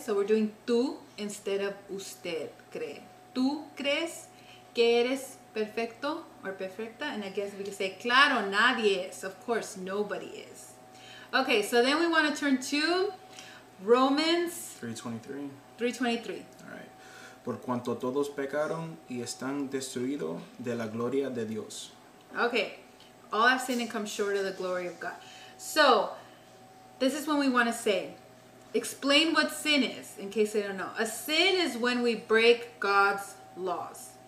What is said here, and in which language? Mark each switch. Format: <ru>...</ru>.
<en>So we're doing tú instead of usted cree.</en> <es>¿Tú crees que eres perfecto o perfecta?</es> <en>And I guess we could say, claro, nadie es. Of course, nobody is. Okay, so then we want to turn to Romans 3:23. All right.</en> <es>Por cuanto todos pecaron y están destruidos de la gloria de Dios.</es> <en>Okay. All have sinned and come short of the glory of God. So, this is when we want to say, explain what sin is, in case they don't know. A sin is when we break God's laws.</en>